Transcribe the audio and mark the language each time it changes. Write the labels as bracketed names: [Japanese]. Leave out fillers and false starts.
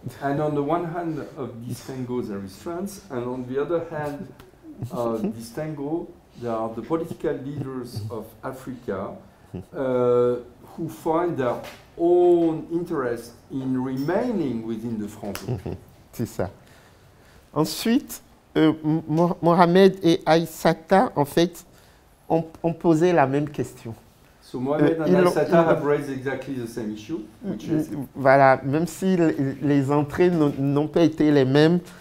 [English] And on the one hand of this tango, there is France. And on the other hand of this tango, there are the political leaders of Africa who find their own interest in remaining within the France. [French] C'est ça. Ensuite, Mohamed et Aïssata, en fait, ont posé la même question. [English] So Mohamed et Aïssata have raised exactly the same issue. [French] Voilà, même si les entrées n'ont pas été les mêmes.